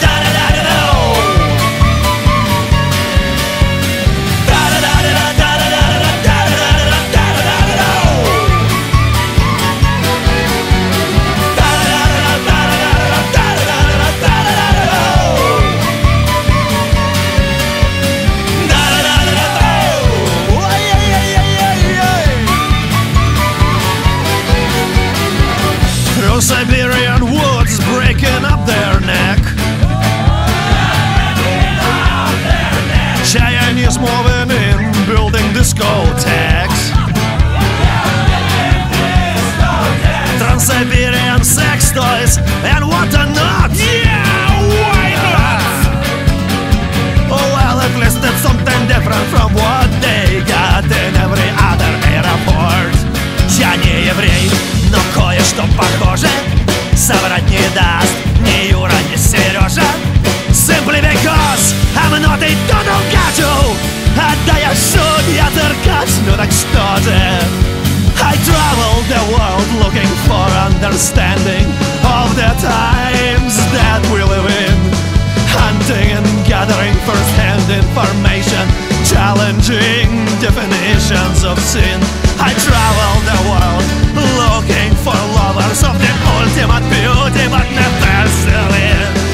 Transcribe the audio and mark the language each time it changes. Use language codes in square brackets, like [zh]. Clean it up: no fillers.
[en] da da da da da da da da da da da da da da da da da da da da da da da da da da da da da da da da da da da da da da da da da da da da da da da da da da. Breaking up their neck, Chinese moving in, building discotheques, Trans-Siberian sex toys, and what a nut. Yeah, why not? Oh, well, at least it's something different from what they got in every other airport. [ru] Я не еврей, но кое-что похоже. Соврать не даст ни Юра, ни Сережа. [en] Simply because I'm not a total gacho. [ru] Да я шут, я циркач, ну так что же. [en] I travel the world looking for understanding of the times that we live in. Hunting and gathering first-hand information, challenging definitions of sin. I travel the world looking for lovers of the ultimate beauty, but never selling.